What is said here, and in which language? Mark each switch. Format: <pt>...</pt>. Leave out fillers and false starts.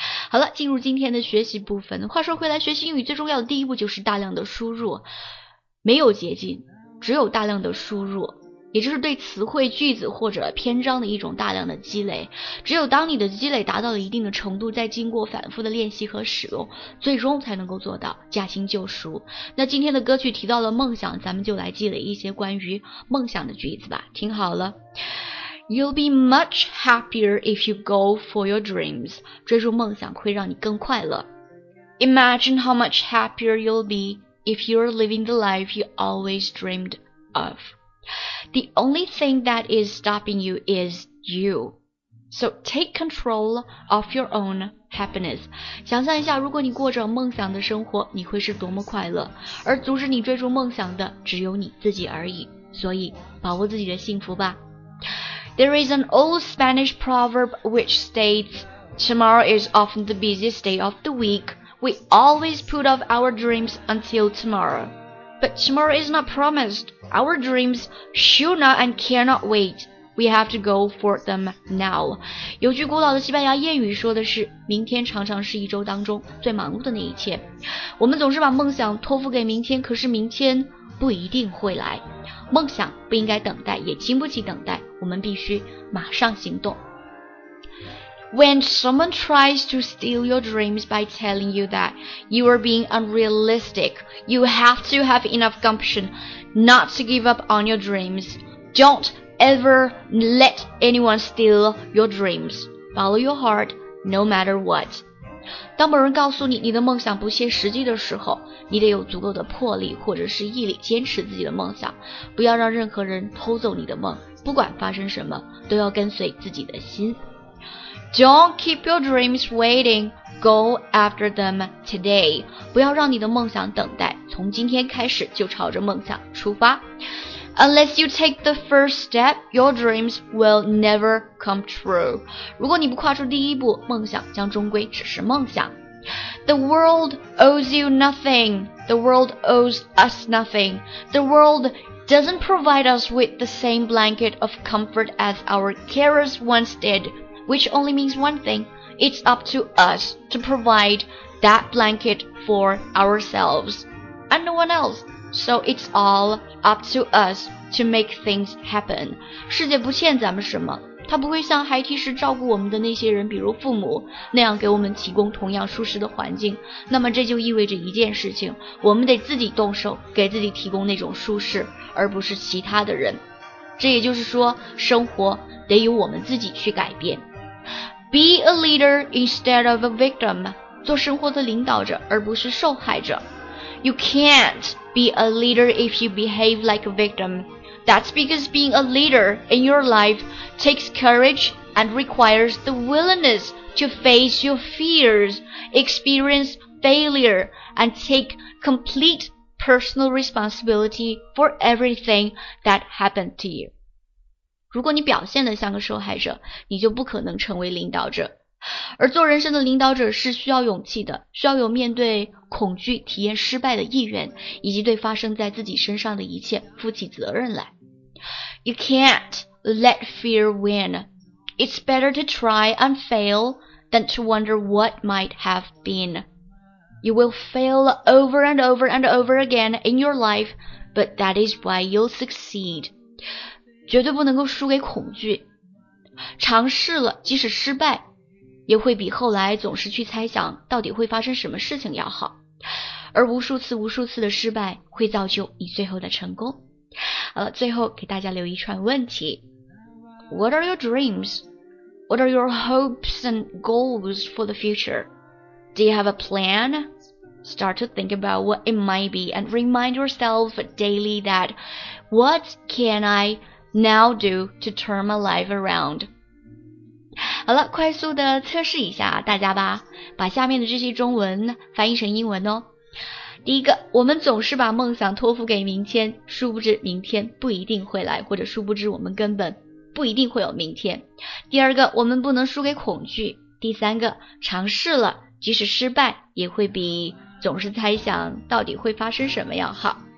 <zh>好了，进入今天的学习部分。话说回来，学习英语最重要的第一步就是大量的输入，没有捷径，只有大量的输入，也就是对词汇、句子或者篇章的一种大量的积累。只有当你的积累达到了一定的程度，再经过反复的练习和使用，最终才能够做到驾轻就熟。那今天的歌曲提到了梦想，咱们就来积累一些关于梦想的句子吧，听好了。</zh> <en>You'll be much happier if you go for your dreams.</en> <zh>追逐梦想会让你更快乐。</zh> <en>Imagine how much happier you'll be if you're living the life you always dreamed of. The only thing that is stopping you is you. So take control of your own happiness.</en> <zh>想象一下，如果你过着梦想的生活，你会是多么快乐，而阻止你追逐梦想的只有你自己而已。所以，把握自己的幸福吧。</zh> <en>There is an old Spanish proverb which states, Tomorrow is often the busiest day of the week. We always put off our dreams until tomorrow. But tomorrow is not promised. Our dreams should not and cannot wait. We have to go for them now.</en> <zh>有句古老的西班牙谚语说的是，明天常常是一周当中最忙碌的那一天。我们总是把梦想托付给明天，可是明天不一定会来。梦想不应该等待，也经不起等待，我们必须马上行动。</zh> <en>When someone tries to steal your dreams by telling you that you are being unrealistic, you have to have enough gumption not to give up on your dreams. Don't ever let anyone steal your dreams. Follow your heart, no matter what.</en> <zh>当某人告诉你你的梦想不切实际的时候，你得有足够的魄力或者是毅力坚持自己的梦想，不要让任何人偷走你的梦，不管发生什么，都要跟随自己的心。</zh> <en>Don't keep your dreams waiting. Go after them today.</en> <zh>不要让你的梦想等待，从今天开始就朝着梦想出发。</zh> <en>Unless you take the first step, your dreams will never come true.</en> <zh>如果你不跨出第一步，梦想将终归只是梦想。</zh> <en>The world owes you nothing. The world owes us nothing. The worldDoesn't provide us with the same blanket of comfort as our carers once did, which only means one thing. It's up to us to provide that blanket for ourselves and no one else. So it's all up to us to make things happen.</en> <zh>世界不欠咱们什么，它不会像孩提时照顾我们的那些人，比如父母，那样给我们提供同样舒适的环境。那么这就意味着一件事情，我们得自己动手给自己提供那种舒适，而不是其他的人。这也就是说，生活得由我们自己去改变。</zh> <en>Be a leader instead of a victim.</en> <zh>做生活的领导者，而不是受害者。</zh> <en>You can't be a leader if you behave like a victim. That's because being a leader in your life takes courage and requires the willingness to face your fears, experience failure, and take complete personal responsibility for everything that happened to you.</en> <zh>如果你表现得像个受害者，你就不可能成为领导者。而做人生的领导者是需要勇气的，需要有面对恐惧、体验失败的意愿，以及对发生在自己身上的一切负起责任来。</zh> <en>You can't let fear win. It's better to try and fail than to wonder what might have been. You will fail over and over and over again in your life, but that is why you'll succeed.</en> <zh>绝对不能够输给恐惧，尝试了即使失败也会比后来总是去猜想到底会发生什么事情要好，而无数次无数次的失败会造就你最后的成功。好了，最后给大家留一串问题。</zh> <en>What are your dreams? What are your hopes and goals for the future? Do you have a plan? Start to think about what it might be and remind yourself daily that What can I now do to turn my life around?</en> <zh>好了，快速的测试一下大家吧，把下面的这些中文翻译成英文哦。第一个，我们总是把梦想托付给明天，殊不知明天不一定会来，或者殊不知我们根本不一定会有明天。第二个，我们不能输给恐惧。第三个，尝试了即使失败也会比总是猜想到底会发生什么要好。</zh>